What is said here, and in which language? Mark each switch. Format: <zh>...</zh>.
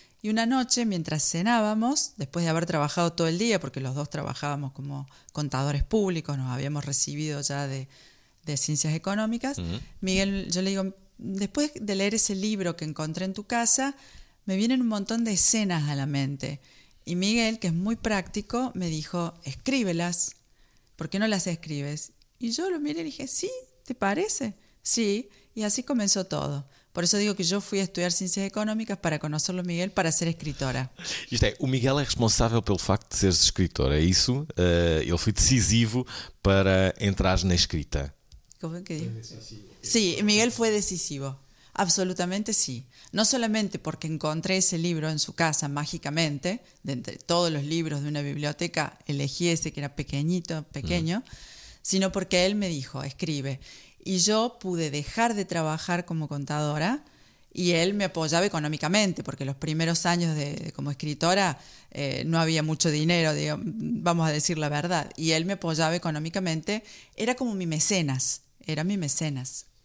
<es>Y una noche, mientras cenábamos, después de haber trabajado todo el día, porque los dos trabajábamos como contadores públicos, nos habíamos recibido ya de ciencias económicas, Miguel, yo le digo, después de leer ese libro que encontré en tu casa, me vienen un montón de escenas a la mente. Y Miguel, que es muy práctico, me dijo, escríbelas, ¿por qué no las escribes? Y yo lo miré y dije, sí, ¿te parece? Sí, y así comenzó todo. Por eso digo que yo fui a estudiar ciencias económicas para conocerlo a Miguel, para ser escritora.</es> <pt>Isto é, o Miguel é responsável pelo facto de seres escritora, é isso? Ele foi decisivo para entrares na escrita. Como é que digo? Sim,</pt> <es>sí,</es> <pt>Miguel foi decisivo. Absolutamente sim. Sí. Não</pt> <es>solamente</es> <pt>porque encontrei esse livro em sua casa</pt> <es>mágicamente,</es> <pt>de entre todos os livros de uma biblioteca,</pt> <es>elegí</es> <pt>esse que era</pt> <es>pequeñito,</es> <pt>pequeno,</pt> <es>sino</es> <pt>porque ele</pt> <es>me dijo, escribe. Y yo pude dejar de trabajar como contadora y él me apoyaba económicamente, porque los primeros años de como escritora no había mucho dinero, vamos a decir la verdad. Y él me apoyaba económicamente, era como mi mecenas, era mi mecenas.</es>